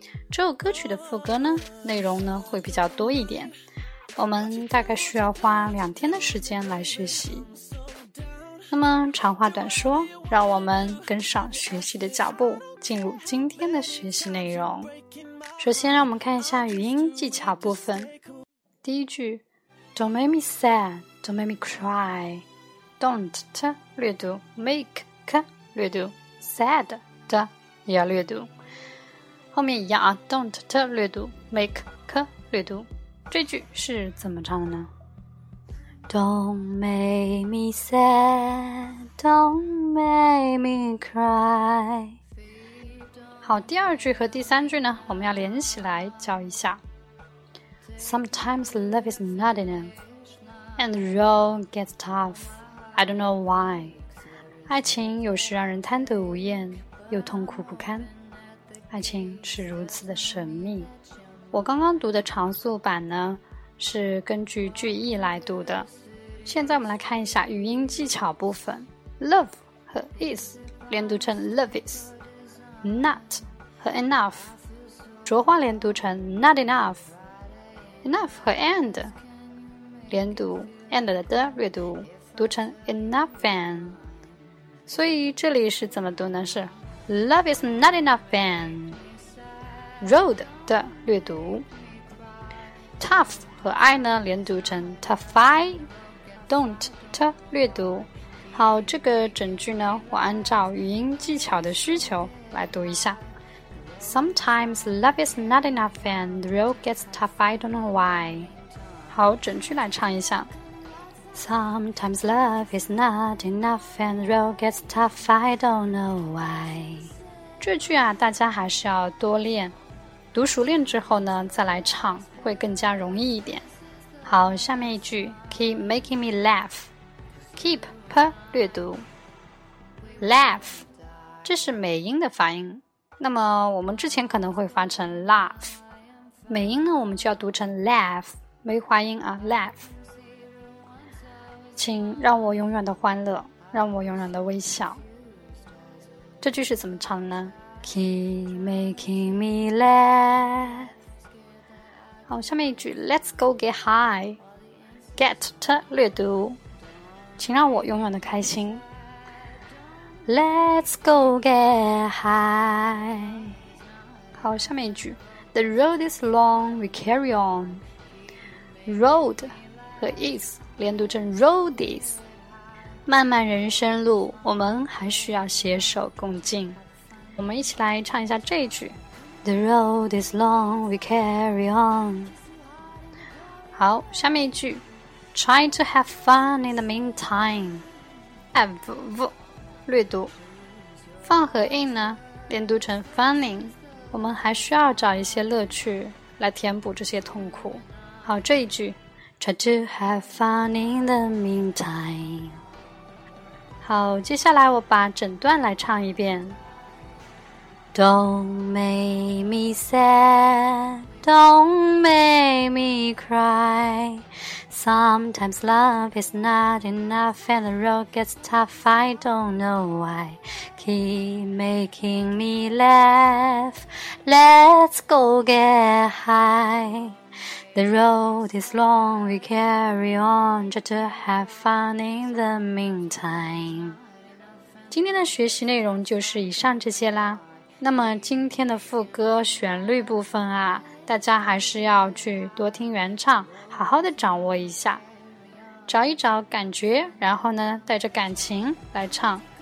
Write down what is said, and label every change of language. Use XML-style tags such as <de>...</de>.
<zh>这首歌曲的副歌呢，内容呢会比较多一点。我们大概需要花两天的时间来学习。那么长话短说，让我们跟上学习的脚步，进入今天的学习内容。首先让我们看一下语音技巧部分。第一句</zh> <en>Don't make me sad, don't make me cry.</en> <zh>Don't, 略读 make, 略读 sad, 的也要略读。后面一样啊 don't, 略读 make, 略读。这句是怎么唱的呢？</zh> <en>Don't make me sad, don't make me cry.</en> <zh>好，第二句和第三句呢，我们要连起来教一下。</zh> <en>Sometimes love is not enough, and the road gets tough. I don't know why.</en> <zh>爱情有时让人贪得无厌，又痛苦不堪。爱情是如此的神秘。我刚刚读的长速版呢，是根据句意来读的。现在我们来看一下语音技巧部分。</zh> <en>Love</en> <zh>和</zh> <en>is</en> <zh>连读成</zh> <en>love is。Not 和 enough</en> <zh>浊化连读成</zh> <en>not enough。</en> <zh>Enough 和 and 连读 and 的的略读，读成 enough and。所以这里是怎么读呢？是</zh> <en>love is not enough and。</en> <zh>Road 的略读。Tough 和 I 呢连读成 toughify。 Don't, 它略读。好，这个整句呢，我按照语音技巧的需求来读一下。</zh> <en>Sometimes love is not enough and the road gets tough, I don't know why.</en> <zh>好，整句来唱一下。</zh> <en>Sometimes love is not enough and the road gets tough, I don't know why.</en> <zh>这句啊，大家还是要多练。读熟练之后呢，再来唱，会更加容易一点。好，下面一句</zh> <en>Keep making me laugh.</en> <zh>Keep, 略读 Laugh, 这是美音的发音。那么我们之前可能会发成 laugh, 美音呢我们就要读成 laugh, 没发音啊 laugh. 请让我永远的欢乐，让我永远的微笑。这句是怎么唱呢？</zh> <en>Keep making me laugh.</en> <zh>好，下面一句</zh> <en>Let's go get high.</en> <zh>Get to 略读，请让我永远的开心。</zh> <en>Let's go get high.</en> <zh>好，下面一句</zh> <en>The road is long, we carry on. Road</en> <zh>和</zh> <en>is</en> <zh>连读成</zh> <en>road is.</en> <zh>漫漫人生路，我们还需要携手共进。我们一起来唱一下这一句。</zh> <en>The road is long, we carry on.</en> <zh>好，下面一句</zh> <en>Try to have fun in the meantime.</en> <zh>Have, 略读 Fun 和 in 呢，连读成 funning. 我们还需要找一些乐趣来填补这些痛苦。好，这一句</zh> <en>Try to have fun in the meantime.</en> <zh>好，接下来我把整段来唱一遍。</zh> <en>Don't make me sad, don't make me cry. Sometimes love is not enough and the road gets tough, I don't know why. Keep making me laugh, let's go get high. The road is long, we carry on, just to have fun in the meantime.</en> <zh>今天的学习内容就是以上这些啦。那么今天的副歌旋律部分啊，大家还是要去多听原唱，好好的掌握一下，找一找感觉，然后呢带着感情来唱。</zh>